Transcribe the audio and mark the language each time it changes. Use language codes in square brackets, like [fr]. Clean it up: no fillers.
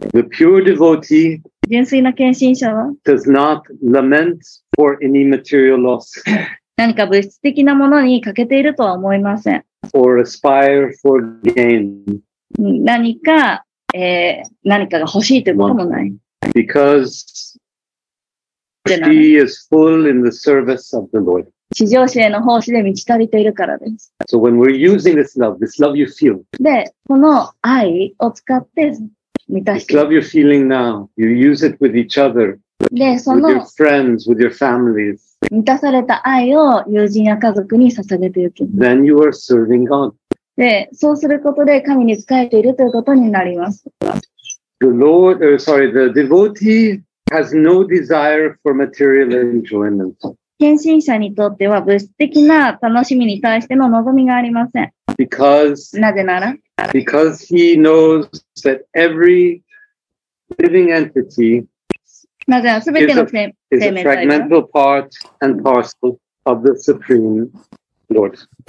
[en] The pure devotee [ja] 純粋な献身者は [en] does not lament for any material loss. [ja] 何か物質的なものに欠けているとは思いません。 [en] Or aspire for gain. [ja] 何かが欲しいということもない。 [en] Because she is full in the service of the Lord. [ja] 至上主への奉仕で満ち足りているからです。 [en] So when we're using this love you feel. [ja] で、この愛を使って満たして。 [en] This love you're feeling now, you use it with each other. [ja] で、その。 [en] With your friends, with your families. [ja] 満たされた愛を友人や家族に捧げていく。 [en] Then you are serving God. [ja] で、そうすることで神に仕えているということになります。 [en] The Lord, the devotee has no desire for material enjoyment. [ja] 献身者にとっては物質的な楽しみに対しての望みがありません。なぜなら、 [en] because he knows that every living entity is a fragmental part and parcel of the Supreme Lord.